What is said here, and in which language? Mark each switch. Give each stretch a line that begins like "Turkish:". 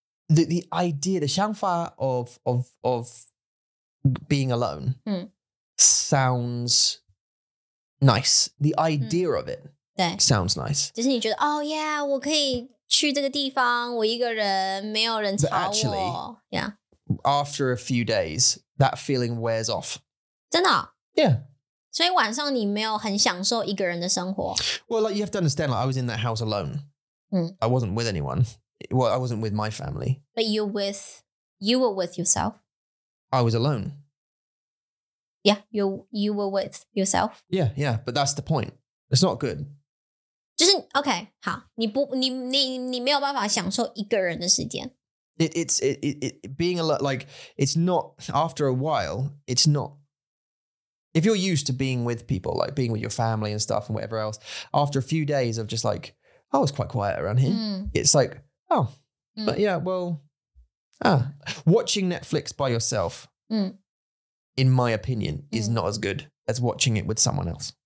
English: The idea, the 想法 of being alone sounds nice. The idea of it sounds nice.
Chinese: 就是你觉得
English: oh yeah,
Chinese: 我可以去这个地方，我一个人，没有人吵我。
English: But actually, yeah. After a few days, that feeling wears off.
Chinese: 真的?
English: Yeah.
Chinese: 所以晚上你没有很享受一个人的生活。
English: Well, like, you have to understand, like, I was in that house alone. I wasn't with anyone. Well, I wasn't with my family. But you were with yourself. I was alone. Yeah, you were with yourself. Yeah, yeah, but that's the point. It's not good.
Chinese: 就是 okay, 好，你不你你你没有办法享受一个人的时间。
English: It's being alone, like, it's not, after a while, it's not, if you're used to being with people, like being with your family and stuff and whatever else, after a few days of just like, oh, it's quite quiet around here, it's like,Oh, but yeah, well, watching Netflix by yourself, in my opinion, is not as good as watching it with someone else.